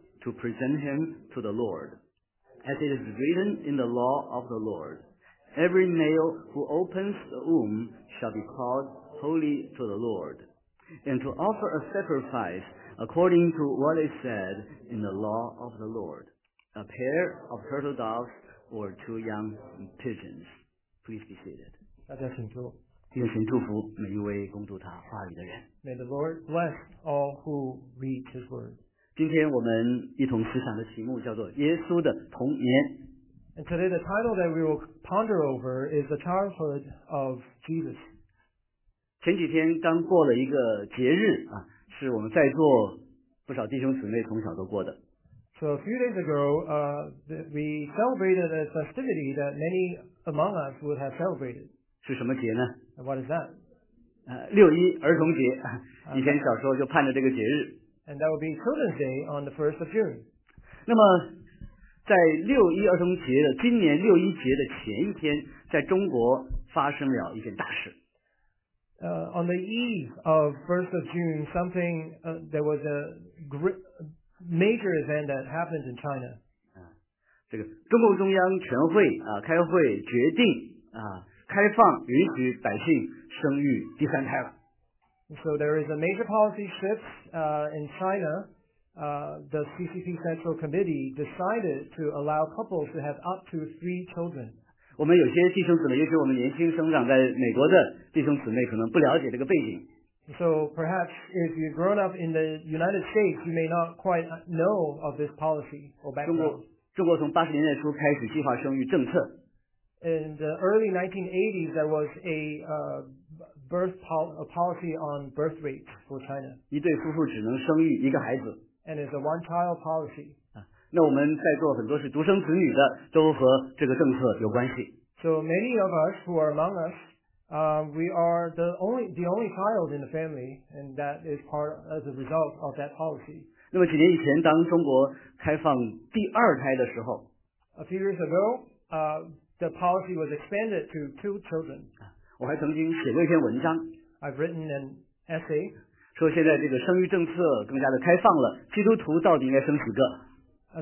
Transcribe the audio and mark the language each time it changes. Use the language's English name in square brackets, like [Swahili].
[English] To present him to the Lord. As it is written in the law of the Lord, every male who opens the womb shall be called holy to the Lord, and to offer a sacrifice according to what is said in the law of the Lord, a pair of turtle doves or two young pigeons. Please be seated. [Chinese] 大家请坐。愿神祝福每一位恭读他话语的人。 [English] May the Lord bless all who read his word. [Chinese] 今天我们一同思想的题目叫做耶稣的童年。 [English] And today the title that we will ponder over is the childhood of Jesus. [Chinese] 前几天刚过了一个节日啊，是我们在座不少弟兄姊妹从小都过的。 [English] So a few days ago, we celebrated a festivity that many among us would have celebrated. [Chinese] 是什么节呢？ [English] What is that? [Chinese] 六一儿童节，以前小时候就盼着这个节日。 [English] And that will be Children's Day on the 1st of June. [Chinese] 那么在六一儿童节的今年六一节的前一天，在中国发生了一件大事。 [English] On the eve of 1st of June, something, there was a major event that happened in China. [Chinese] 这个中共中央全会开会决定开放允许百姓生育第三胎了。 [English] So there is a major policy shift in China. The CCP Central Committee decided to allow couples to have up to 3 children. [Chinese] 我们有些弟兄姊妹，尤其我们年轻生长在美国的弟兄姊妹，可能不了解这个背景。 [English] So perhaps if you've grown up in the United States, you may not quite know of this policy or background. [Chinese] 中国从八十年代初开始计划生育政策。 [English] In the early 1980s, there was a a policy on birth rates for China. [Chinese] 一对夫妇只能生育一个孩子。 [English] And it's a one-child policy. [Chinese] 那我们在座很多是独生子女的，都和这个政策有关系。 [English] So many of us who are among us, we are the only child in the family, and that is part as a result of that policy. [Chinese] 那么几年以前，当中国开放第二胎的时候 [English] ，A few years ago, the policy was expanded to 2 children. [Chinese] 我还曾经写过一篇文章 [English] I've written an essay [Chinese] 说现在这个生育政策更加的开放了，基督徒到底应该生几个